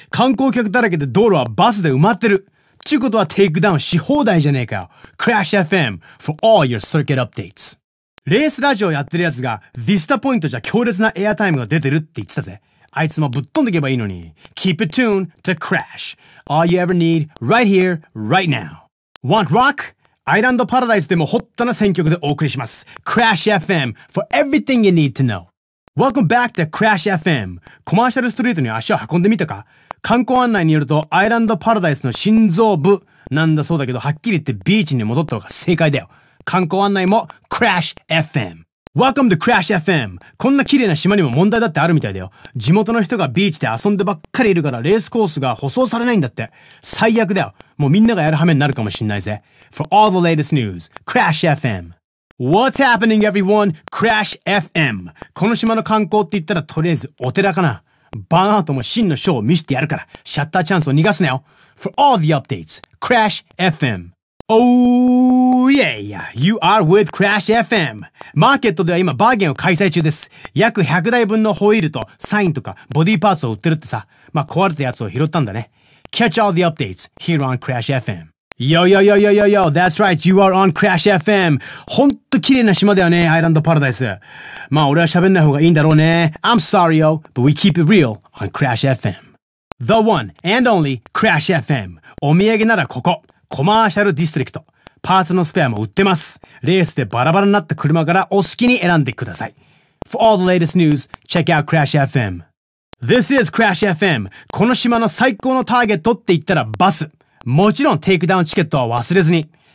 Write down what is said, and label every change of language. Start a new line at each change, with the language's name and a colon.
Japanese: 観光客だらけで道路はバスで埋まってる。ちゅうことはテイクダウンし放題じゃねえか。
English: Crash FM! For all your circuit updates!
Japanese: レースラジオやってるやつがビスタポイントじゃ強烈なエアタイムが出てるって言ってたぜ。あいつもぶっ飛んでけばいいのに。
English: Keep it tuned to Crash. All you ever need right here, right now. Want rock?
Japanese: アイランドパラダイスでもホットな選曲でお送りします。
English: Crash FM for everything you need to know. Welcome back to Crash FM.
Japanese: コマーシャルストリートに足を運んでみたか。観光案内によるとアイランドパラダイスの心臓部なんだそうだけど、はっきり言ってビーチに戻った方が正解だよ。観光案内も
English: Crash FM。Welcome to Crash FM。
Japanese: こんな綺麗な島にも問題だってあるみたいだよ。地元の人がビーチで遊んでばっかりいるからレースコースが舗装されないんだって。最悪だよ。もうみんながやる羽目になるかもしんないぜ。
English: For all the latest news, Crash FM。 What's happening everyone? Crash FM。
Japanese: この島の観光って言ったらとりあえずお寺かな。バーンアウトも真のショーを見せてやるから、シャッターチャンスを逃がすなよ。
English: For all the updates, Crash FM。 Oh yeah, yeah, you are with Crash FM.
Japanese: マーケットでは今バーゲンを開催中です。約100台分のホイールとサインとかボディーパーツを売ってるってさ。まあ壊れたやつを拾ったんだね。
English: Catch all the updates here on Crash FM. Yo, yo, yo, yo, yo, yo, that's right, you are on Crash FM.
Japanese: ほんと綺麗な島だよね、アイランドパラダイス。まあ俺は喋んない方がいいんだろうね。
English: I'm sorry, yo, but we keep it real on Crash FM. The one and only Crash FM.
Japanese: お土産ならここ。コマーシャルディストリクト。パーツのスペアも売ってます。レースでバラバラになった車からお好きに選んでください。
English: For all the latest news, check out Crash FM. This is Crash FM.
Japanese: この島の最高のターゲットって言ったらバス。もちろんテイクダウンチケットは忘れずに。